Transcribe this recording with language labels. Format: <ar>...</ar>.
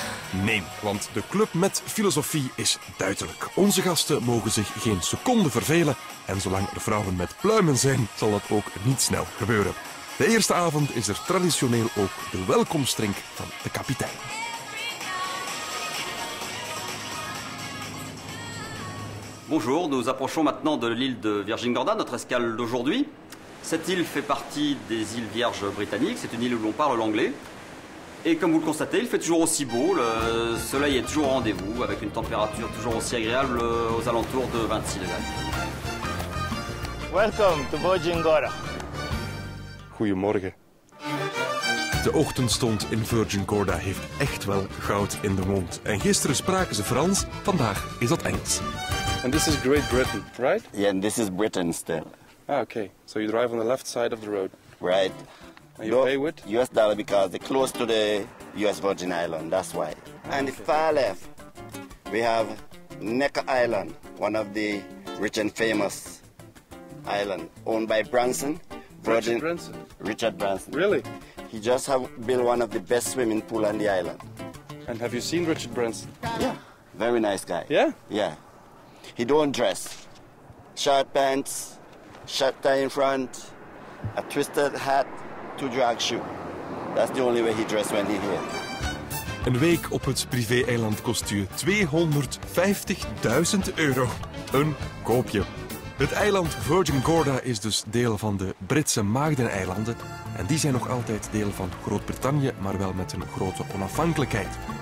<nl>Nee, want de Club Met filosofie is duidelijk. Onze gasten mogen zich geen seconde vervelen en zolang er vrouwen met pluimen zijn, zal dat ook niet snel gebeuren. De eerste avond is er traditioneel ook de welkomstdrink van de kapitein.</nl> <fr>Bonjour, nous approchons maintenant de l'île de Virgin Gorda, notre escale d'aujourd'hui. Cette île fait partie des îles Vierges britanniques, c'est une île où l'on parle l'anglais. Et comme vous le constatez, il fait toujours aussi beau, le soleil est toujours au rendez-vous, avec une température toujours aussi agréable aux alentours de 26 degrés.</fr> <en>Welcome to Virgin Gorda.</en> <nl>Goedemorgen. De ochtendstond in Virgin Gorda heeft echt wel goud in de mond. En gisteren spraken ze Frans, vandaag is dat Engels.</nl> <en>And this is Great Britain, right? Yeah, and this is Britain still. Ah, okay. So you drive on the left side of the road. Right. And you pay with? US dollar because they're close to the US Virgin Island, that's why. And okay. Far left, we have Necker Island, one of the rich and famous islands, owned by Branson. Virgin, Richard Branson. Richard Branson. Really? He just have built one of the best swimming pool on the island. And have you seen Richard Branson? Yeah, very nice guy. Yeah? Yeah. He don't dress. Short pants, short tie in front, a twisted hat, two drag shoe. That's the only way he dress when he here.</en> <nl>Een week op het privé-eiland kost je €250.000. Een koopje. Het eiland Virgin Gorda is dus deel van de Britse Maagdeneilanden. En die zijn nog altijd deel van Groot-Brittannië, maar wel met een grote onafhankelijkheid.</nl>